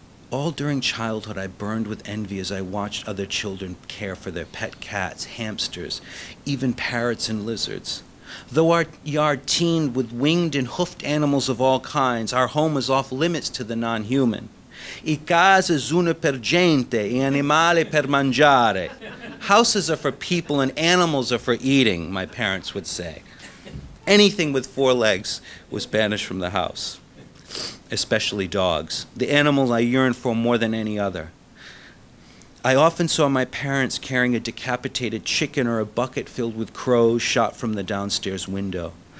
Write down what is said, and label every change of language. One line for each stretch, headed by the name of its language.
English: All during childhood, I burned with envy as I watched other children care for their pet cats, hamsters, even parrots and lizards. Though our yard teemed with winged and hoofed animals of all kinds, our home was off limits to the non-human.
Italian: I case sono per gente, e animali per mangiare.
English: Houses are for people and animals are for eating, my parents would say. Anything with four legs was banished from the house, especially dogs, the animals I yearned for more than any other. I often saw my parents carrying a decapitated chicken or a bucket filled with crows shot from the downstairs window.